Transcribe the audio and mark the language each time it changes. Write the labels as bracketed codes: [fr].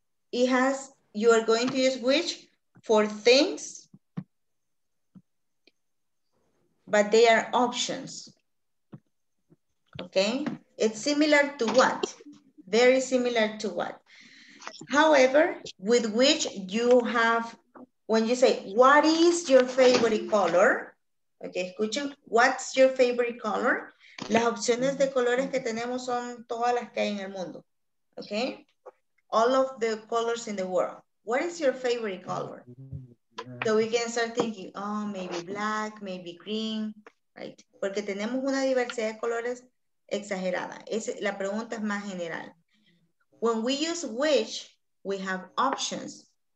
[en] You are going to use wish for things, but they are options. Okay, it's similar to what? Very similar to what? However, with which you have, when you say, what is your favorite color? Okay, [es] escuchen, [en] what's your favorite color? [es] Las opciones de colores que tenemos son todas las que hay en el mundo. [en] Okay, all of the colors in the world. What is your favorite color? So we can start thinking, oh, maybe black, maybe green, right? [es] Porque tenemos una diversidad de colores exagerada. La pregunta es más general. [en] When we use which, we have options.